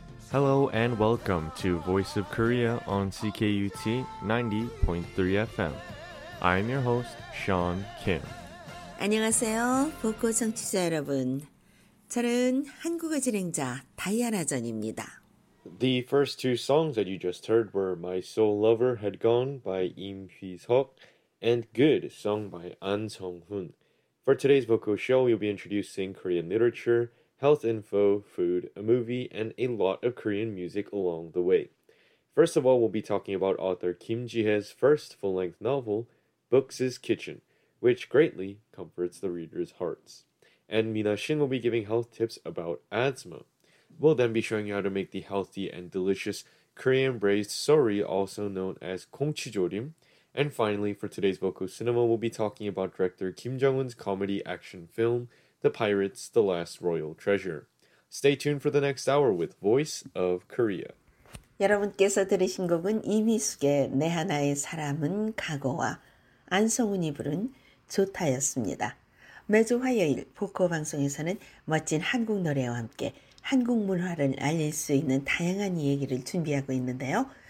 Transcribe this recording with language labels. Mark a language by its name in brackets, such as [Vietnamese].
[English] Hello and welcome to Voice of Korea on CKUT 90.3 FM. I'm your host, Sean Kim. [Korean] 안녕하세요, 보코 청취자 여러분. 저는 한국어 진행자 다이아나 전입니다. [English] The first two songs that you just heard were My Soul Lover Had Gone by Im Hwi-seok and Good, sung by An Sung-hun. For today's Voco show, we'll be introducing Korean literature, health info, food, a movie, and a lot of Korean music along the way. First of all, we'll be talking about author Kim Ji-hye's first full-length novel, Books' Kitchen, which greatly comforts the reader's hearts. And Mina Shin will be giving health tips about asthma. We'll then be showing you how to make the healthy and delicious Korean braised sori, also known as gongchijorim. And finally, for today's Voco Cinema, we'll be talking about director Kim Jong-un's comedy action film, The Pirates, The Last Royal Treasure. Stay tuned for the next hour with Voice of Korea. [Korean] 여러분께서 들으신 곡은 이미숙의 내 하나의 사람은 과거와 안성훈이 부른 좋다였습니다. 매주 화요일 보코 방송에서는 멋진 한국 노래와 함께 한국 문화를 알릴 수 있는 다양한 이야기를 준비하고 있는데요.